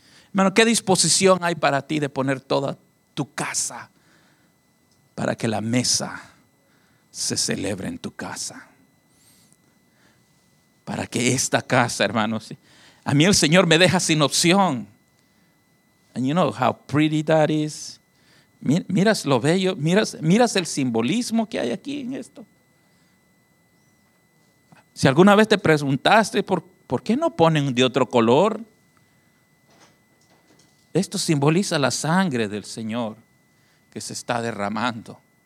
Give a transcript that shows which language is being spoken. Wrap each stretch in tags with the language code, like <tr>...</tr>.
<es>Hermano, ¿qué disposición hay para ti de poner toda tu casa para que la mesa se celebre en tu casa? Para que esta casa, hermano, ¿sí? A mí el Señor me deja sin opción.</es> <en>And you know how pretty that is.</en> <es>Miras lo bello, miras el simbolismo que hay aquí en esto. Si alguna vez te preguntaste por qué no ponen de otro color, esto simboliza la sangre del Señor que se está derramando.</es>